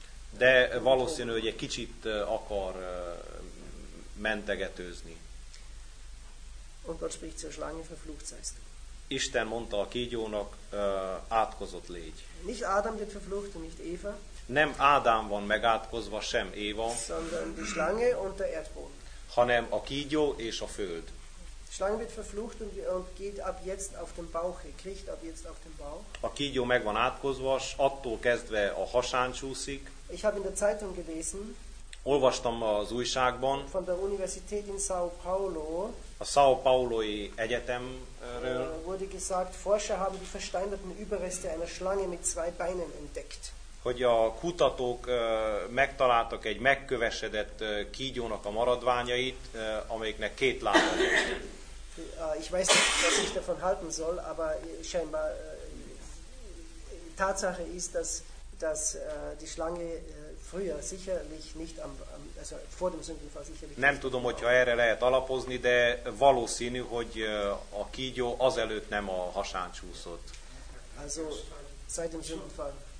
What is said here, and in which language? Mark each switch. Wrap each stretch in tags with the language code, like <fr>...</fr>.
<hu>De valószínű, hogy egy kicsit akar mentegetőzni.</hu> <de>Und Gott spricht zur Schlange, verflucht seist du.</de> <hu>Isten mondta a kígyónak, átkozott légy.</hu> <de>Nicht Adam wird verflucht und nicht Eva.</de> <hu>Nem Ádám van megátkozva, sem Éva,</hu> <de>sondern die Schlange und der Erdboden.</de> <hu>Hanem a kígyó és a föld.</hu> <de>Die Schlange wird verflucht und geht ab jetzt auf den Bauch, kriecht ab jetzt auf den Bauch.</de> <hu>A kígyó meg van átkozva, s attól kezdve a hasán csúszik.</hu> <de>Ich habe in der Zeitung gelesen.</de> <hu>Olvastam az újságban.</hu> <de>Von der Universität in São Paulo.</de> <hu>A São Paulo-i egyetemről.</hu> <de>Wurde gesagt, Forscher haben die versteinerten Überreste einer Schlange mit zwei Beinen entdeckt.</de> <hu>Hogy a kutatók megtaláltak egy megkövesedett kígyónak a maradványait, amelyiknek két lába volt.</hu> <de>Ich weiß nicht, was ich davon halten soll, aber scheinbar Tatsache ist, dass die Schlange früher sicherlich nicht am also vor dem Sündenfall sicherlich.</de> <hu>Nem tudom, hogyha erre lehet alapozni, de valószínű, hogy a kígyó azelőtt nem a hasán csúszott.</hu> <de>Also seit dem Sündenfall.</de>